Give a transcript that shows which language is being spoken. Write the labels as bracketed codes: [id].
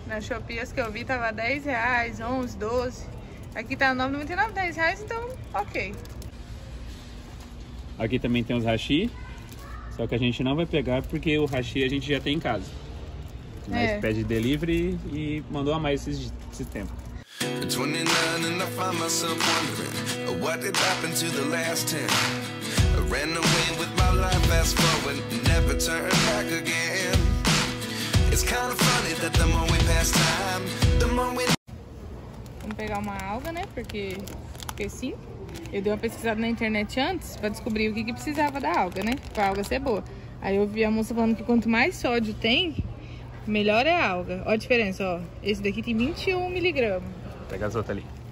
[pt] Na Shopee as que eu vi tava R$10, R$11, R$12. Aqui tá R$9,99, R$10, então ok. Aqui também tem os hashi, só que a gente não vai pegar porque o hashi a gente já tem em casa. Mas é. Pede delivery e mandou a mais esse tempo. [en] 29 and I find myself wondering what did happen to the last 10. I ran away with my life fast forward, never turn back again. It's kind of funny that the more we pass time, the more we. [pt] Vamos pegar uma alga, né? Porque sim. Eu dei uma pesquisada na internet antes pra descobrir o que precisava da alga, né? Pra alga ser boa. Aí eu vi a moça falando que quanto mais sódio tem, melhor é a alga. Olha a diferença, ó. Esse daqui tem 21 mg. Pega as outras ali.